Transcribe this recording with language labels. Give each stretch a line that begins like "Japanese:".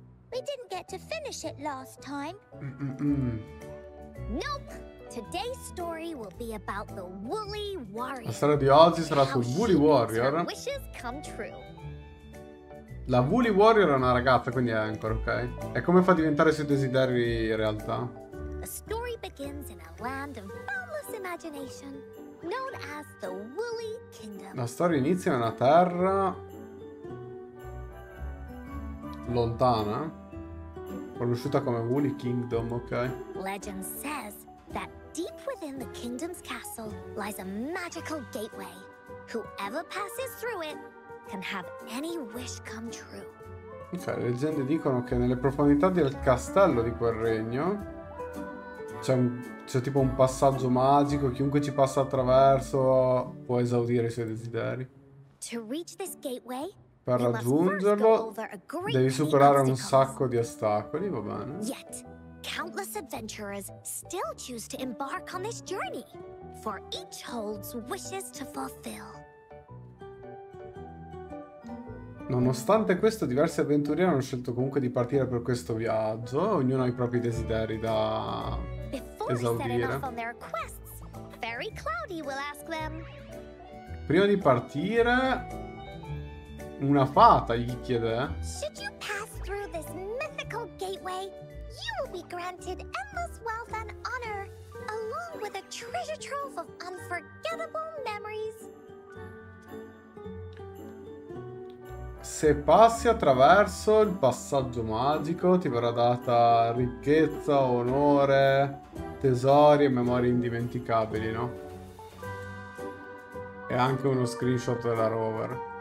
English: We didn't get to finish it last time. Nope. Today's story will be about the Woolly Warrior.
Italian: La storia di oggi sarà sul Woolly Warrior.
English: Wishes come true.
Italian: La Woolly Warrior è una ragazza, quindi è ancora, ok? E come fa a diventare i suoi desideri in realtà?
English: The story begins in a land of boundless imagination, known as the Woolly Kingdom.
Italian: La storia inizia in una terra lontana, conosciuta come Woolly Kingdom, ok?
English: Legend says that deep within the kingdom's castle lies a magical gateway. Whoever passes through it can have any wish come true.
Italian: Ok, le leggende dicono che nelle profondità del castello di quel regno c'è tipo un passaggio magico. Chiunque ci passa attraverso può esaudire i suoi desideri.
English: To reach this gateway,
Italian: per raggiungerlo devi superare un sacco di ostacoli, va bene.
English: Yet. Countless adventurers still choose to embark on this journey, for each holds wishes to fulfill.
Italian: Nonostante questo, diversi avventurieri hanno scelto comunque di partire per questo viaggio. Ognuno ha i propri desideri da esaudire.
English: Before setting off on their quests, Fairy Cloudy will ask them.
Italian: Prima di partire, una fata gli chiede:
English: should you pass through this mythical gateway? You will be granted endless wealth and honor, along with a treasure trove of unforgettable memories.
Italian: Se passi attraverso il passaggio magico, ti verrà data ricchezza, onore, tesori e memorie indimenticabili, no? E anche uno screenshot della rover.